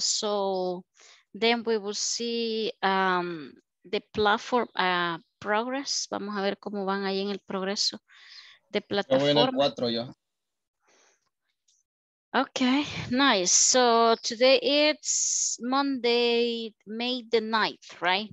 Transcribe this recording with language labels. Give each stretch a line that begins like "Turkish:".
English: So then we will see the platform progress.
Spanish: Vamos a ver cómo van ahí en el progreso de plataforma. Yo voy en el 4 ya.
English: Okay, nice. So today it's Monday, May the 9th, right?